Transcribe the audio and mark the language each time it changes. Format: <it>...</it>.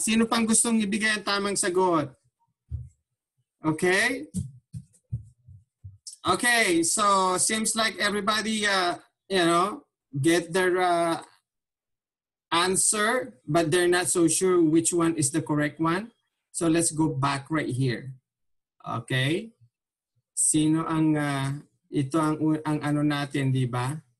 <tl>Sino pang gustong ibigay ang tamang sagot?</tl> <en>Okay? Okay. So, seems like everybody, get their answer, but they're not so sure which one is the correct one. So, let's go back right here. Okay?</en> <tl>Sino ang, ito ang ano natin, di ba?</tl>